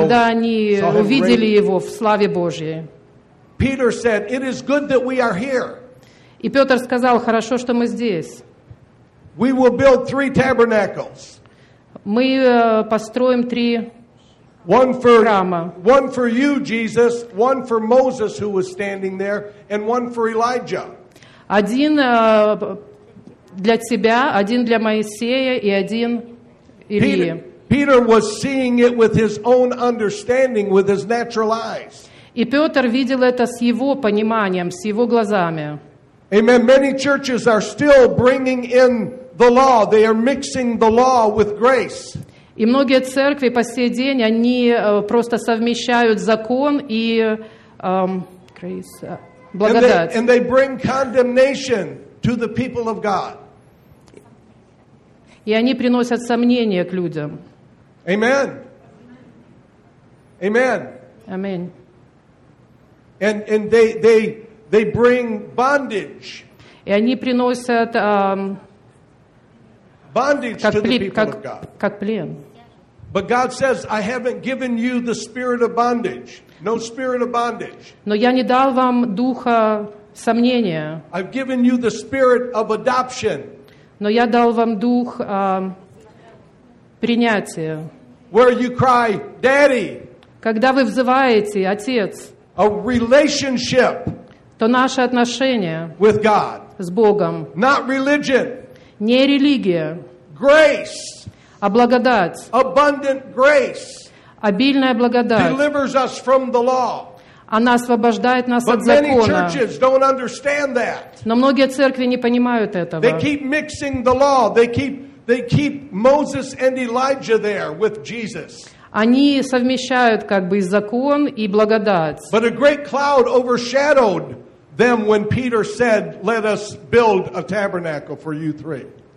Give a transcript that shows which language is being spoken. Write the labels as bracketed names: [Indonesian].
[Russian] Когда они увидели его в славе Божьей. [English] Peter said, "It is good that we are here." [Russian] И Петр сказал, хорошо, что мы здесь. [English] We will build three tabernacles. [Russian] Мы построим три. [English] One for you, Jesus. One for Moses, who was standing there, and one for Elijah. [Russian] Один для тебя, один для Моисея и один Илии. [English] Peter was seeing it with his own understanding, with his natural eyes. [Russian] И Петр видел это с его пониманием, с его глазами. [English] Amen. Many churches are still bringing in the law. They are mixing the law with grace. [Russian] И многие церкви по сей день, они просто совмещают закон и благодать. [English] And they bring condemnation to the people of God. [Russian] И они приносят сомнения к людям. [English] Amen. Amen. Amen. And they bring bondage. [Russian] И они приносят [English] bondage to the people of God. [Russian] Как плен. [English] But God says, "I haven't given you the spirit of bondage. No spirit of bondage." [Russian] Но я не дал вам духа сомнения. [English] I've given you the spirit of adoption. [Russian] Но я дал вам дух принятия. [English] Where you cry, "Daddy!" [Russian] Когда вы взываете, отец. [English] A relationship. [Russian] То наши отношения. [English] With God. [Russian] С Богом. [English] Not religion. [Russian] Не религия. [English] Grace. [Russian] А благодать. [English] Abundant grace. [Russian] Обильная благодать. [English] Delivers us from the law. [Russian] Она освобождает нас [English] But [Russian] от закона. [English] Many churches don't understand that. [Russian] Но многие церкви не понимают этого. [English] They keep mixing the law. They keep Moses and Elijah there with Jesus. [Russian] Они совмещают как бы и закон, и благодать. [English] But a great cloud overshadowed them when Peter said, "Let us build a tabernacle for you three."